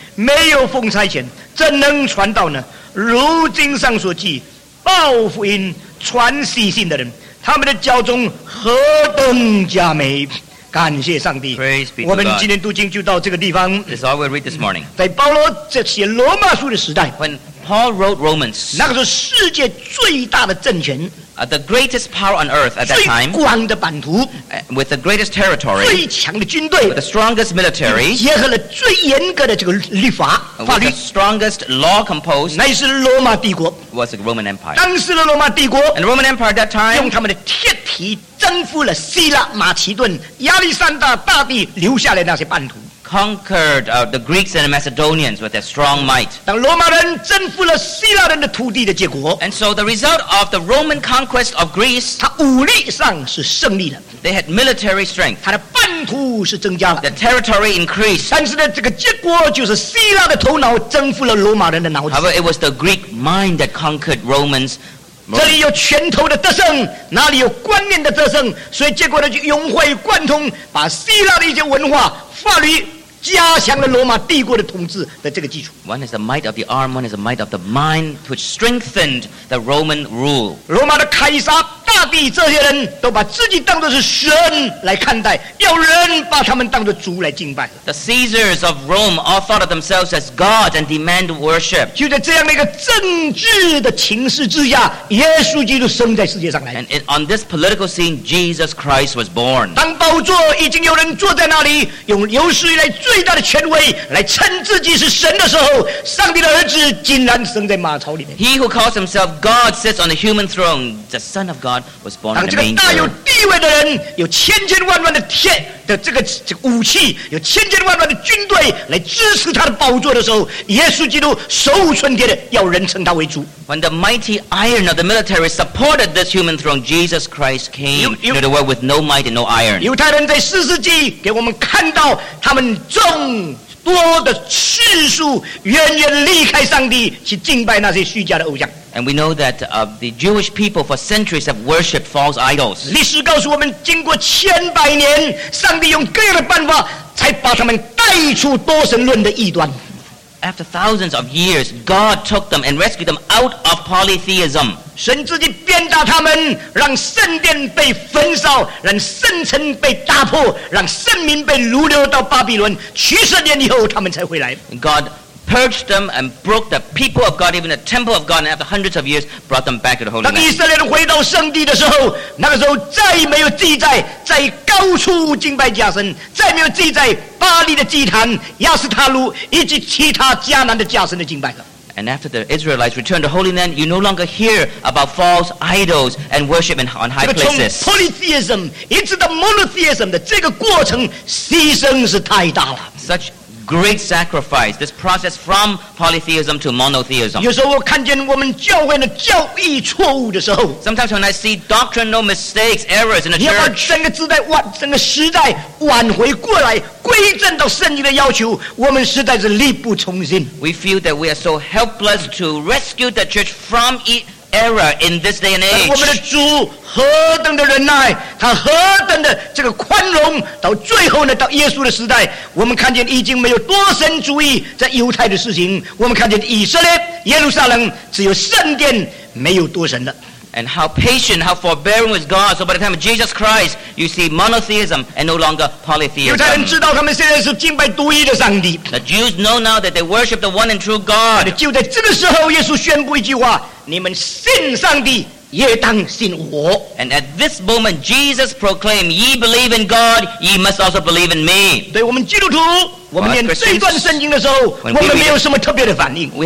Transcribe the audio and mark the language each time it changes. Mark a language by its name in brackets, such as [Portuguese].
[Chinese] 没有奉差遣怎能传道呢？如经上所记，报福音传喜信的人，他们的脚中何等佳美。感谢上帝，我们今天读经就到这个地方。 [English] That's all we'll read this morning. [Chinese] 在保罗这写罗马书的时代， [English] When Paul wrote Romans, [Chinese] 那个是世界最大的政权， [English] The greatest power on earth at that time, [Chinese] 最广的版图， [English] With the greatest territory, [Chinese] 最强的军队， [English] With the strongest military, [Chinese] 结合了最严格的这个律法， [English] With the strongest law composed, [Chinese] 那是罗马帝国， [English] Was the Roman Empire. [Chinese] 当时的罗马帝国， [English] And the Roman Empire at that time, [Chinese] 用他们的铁蹄征服了希腊、马其顿、亚历山大大帝留下来那些版图。 [English] Conquered the Greeks and the Macedonians with their strong might. [Chinese] 当罗马人征服了希腊人的土地的结果。 [English] And so the result of the Roman conquest of Greece. [Chinese] 他武力上是胜利了。 [English] They had military strength. [Chinese] 他的版图是增加了。 [English] The territory increased. [Chinese] 但是呢，这个结果就是希腊的头脑征服了罗马人的脑子。 [English] However, it was the Greek mind that conquered Romans. [Chinese] 这里有拳头的得胜，哪里有观念的得胜，所以结果呢就融会贯通，把希腊的一些文化、法律加强了罗马帝国的统治的这个基础。 [English] One is the might of the arm, one is the might of the mind, which strengthened the Roman rule. [Chinese] 罗马的凯撒、大帝这些人都把自己当作是神来看待，要人把他们当作主来敬拜。 [English] The Caesars of Rome all thought of themselves as God and demand worship. [Chinese] 就在这样的一个政治的情势之下，耶稣基督生在世界上来。 [English] And on this political scene, Jesus Christ was born. [Chinese] 当宝座已经有人坐在那里，用有史以来最大的权威来称自己是神的时候，上帝的儿子竟然生在马槽里面。 [English] He who calls himself God sits on the human throne. The Son of God was born in a manger. [Chinese] 当这个大有地位的人，有千千万万的铁的这个武器，有千千万万的军队来支持他的宝座的时候，耶稣基督手无寸铁的要人称他为主。 [English] When the mighty iron of the military supported this human throne, Jesus Christ came into the world with no might and no iron. [Chinese] 犹太人在四世纪给我们看到他们众多的次数远远离开上帝去敬拜那些虚假的偶像。 [English] And we know that the Jewish people for centuries have worshipped false idols. [Chinese] 历史告诉我们，经过千百年，上帝用各样的办法才把他们带出多神论的异端。 [English] After thousands of years, God took them and rescued them out of polytheism. [Chinese] 神自己鞭打他们，让圣殿被焚烧，让圣城被打破，让圣民被掳掠到巴比伦。七十年以后，他们才回来。 [English] God purged them and broke the people of God, even the temple of God, and after hundreds of years, brought them back to the Holy Land. [Chinese] 当以色列人回到圣地的时候，那个时候再没有记载在高处敬拜假神，再没有记载巴利的祭坛、亚斯塔鲁以及其他迦南的假神的敬拜了。 [English] And after the Israelites returned to Holy Land, you no longer hear about false idols and worship in, on high places. [Chinese] 这个从 polytheism 一直到 monotheism 的这个过程，牺牲是太大了。 [English] Such great sacrifice, this process from polytheism to monotheism. [Chinese] 有时候我看见我们教会的教义错误的时候， [English] Sometimes when I see doctrinal mistakes, errors in a church, [Chinese] 你要把整个时代挽回过来，归正到圣经的要求，我们实在是力不从心。 [English] We feel that we are so helpless to rescue the church from error in this day and age. [Chinese] 但是我们的主何等的忍耐，他何等的这个宽容，到最后呢，到耶稣的时代，我们看见已经没有多神主义在犹太的事情，我们看见以色列、耶路撒冷只有圣殿，没有多神了。 [English] And how patient, how forbearing was God. So by the time of Jesus Christ, you see monotheism and no longer polytheism. The Jews know now that they worship the one and true God. And at this moment, Jesus proclaimed, ye believe in God, ye must also believe in me. [Chinese] 我们念这段圣经的时候，我们没有什么特别的反应。We